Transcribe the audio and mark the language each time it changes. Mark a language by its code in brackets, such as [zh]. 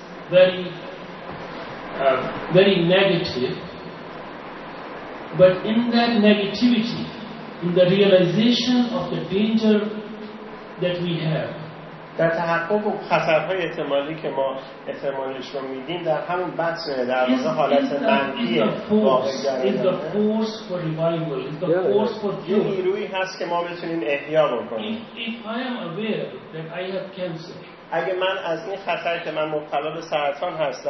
[en] very negative, but in that negativity, in the realization of the danger that we have, [fa] در تحقق و خطرهای احتمالی که ما احتمالش رو میدیم در همون بحث در واقع حالت منفی [en] واقعیت the force for revival is the force for you. [fa] این نیرویی هست که ما بتونیم احیا بکنیم. [en] If I am aware that I have cancer, [fa] اگه من از این خطری که من مبتلا به سرطان هستم